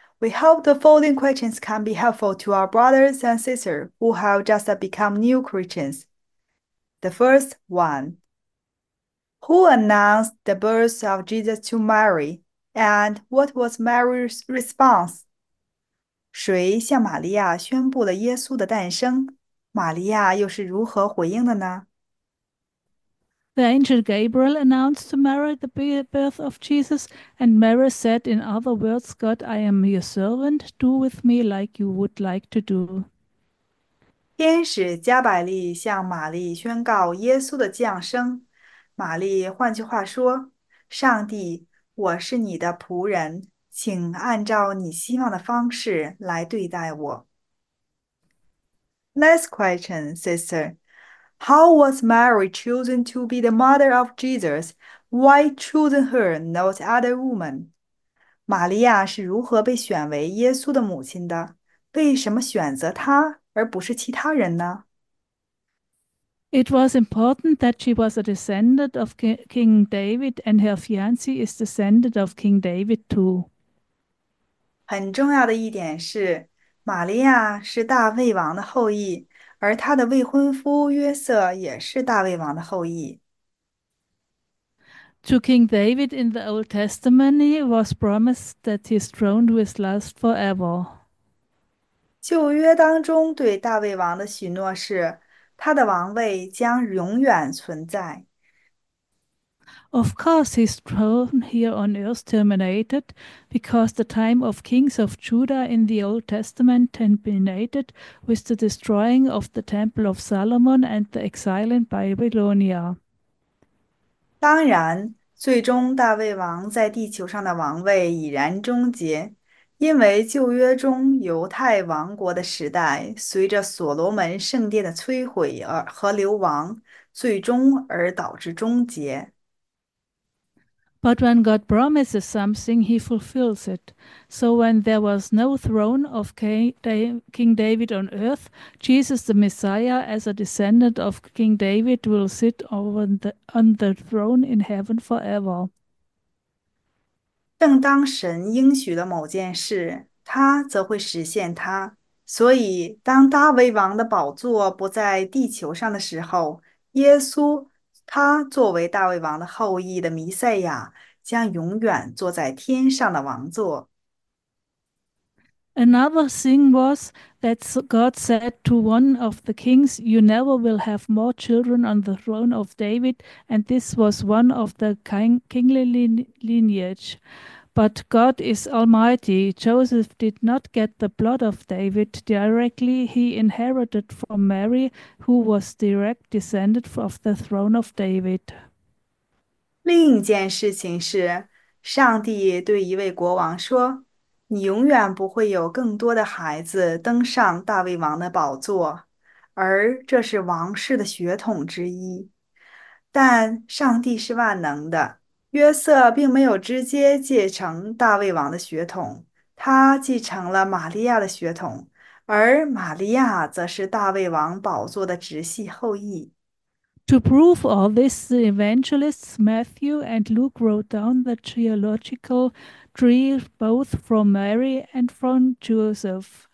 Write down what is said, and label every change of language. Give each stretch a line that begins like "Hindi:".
English: We hope the following questions can be helpful to our brothers and sisters who have just become new Christians. The first one. Who announced the birth of Jesus to Mary, and what was Mary's response?
Chinese: 谁向玛利亚宣布了耶稣的诞生？玛利亚又是如何回应的呢？
English: The angel Gabriel announced to Mary the birth of Jesus, and Mary said, in other words, God, I am your servant. Do with me like you would like to do.
Chinese: 天使加百利向玛丽宣告耶稣的降生。玛丽，换句话说，上帝，我是你的仆人，请按照你希望的方式来对待我。
English: Next question, sister. How was Mary chosen to be the mother of Jesus? Why chosen her, not other woman?
Chinese: 玛利亚是如何被选为耶稣的母亲的？为什么选择她而不是其他人呢？
English: It was important that she was a descendant of King David, and her fiancé is descendant of King David too.
Chinese: 很重要的一点是，玛利亚是大卫王的后裔，而她的未婚夫约瑟也是大卫王的后裔。
English: To King David in the Old Testament, it was promised that his throne would last forever.
Chinese: 旧约当中对大卫王的许诺是，他的王位将永远存在。
English: Of course, his throne here on earth terminated because the time of kings of Judah in the Old Testament terminated with the destroying of the Temple of Solomon and the exile in Babylonia.
Chinese: 当然，最终大卫王在地球上的王位已然终结，因为旧约中犹太王国的时代随着所罗门圣殿的摧毁而和流亡，最终而导致终结。
English: But when God promises something, he fulfills it. So when there was no throne of King David on earth, Jesus the Messiah, as a descendant of King David, will sit on the throne in heaven forever.
Chinese: 正当神应许了某件事，他则会实现它。所以，当大卫王的宝座不在地球上的时候，耶稣，他作为大卫王的后裔的弥赛亚，将永远坐在天上的王座。
English: Another thing was that God said to one of the kings, "You never will have more children on the throne of David," and this was one of the kingly lineage. But God is Almighty. Joseph did not get the blood of David directly. He inherited from Mary, who was direct descended of the throne of David.
Chinese: 另一件事情是，上帝对一位国王说：“你永远不会有更多的孩子登上大卫王的宝座，而这是王室的血统之一。 ”但上帝是万能的，约瑟并没有直接继承大卫王的血统，他继承了玛利亚的血统，而玛利亚则是大卫王宝座的直系后裔。
English: To prove all this, the evangelists Matthew and Luke wrote down the genealogical tree both from Mary and from Joseph.